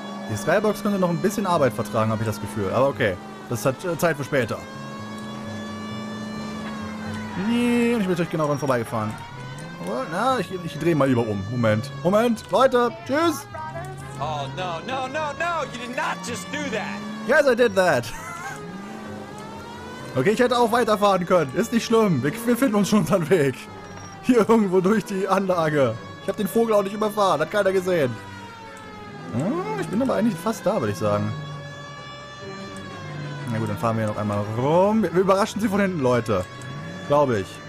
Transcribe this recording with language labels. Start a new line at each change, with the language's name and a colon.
German: Die Skybox könnte noch ein bisschen Arbeit vertragen, habe ich das Gefühl. Aber okay, das hat Zeit für später. Nee, und ich bin natürlich genau dran vorbeigefahren. Aber, na, ich drehe mal über um. Moment. Moment, Leute, tschüss!
English: Oh, no, no, no, no, you did not just do that! Yes, I did that!
German: Okay, ich hätte auch weiterfahren können. Ist nicht schlimm, wir finden uns schon unseren Weg. Hier irgendwo durch die Anlage. Ich habe den Vogel auch nicht überfahren. Hat keiner gesehen. Ich bin aber eigentlich fast da, würde ich sagen. Na gut, dann fahren wir hier noch einmal rum. Wir überraschen sie von hinten, Leute. Glaube ich.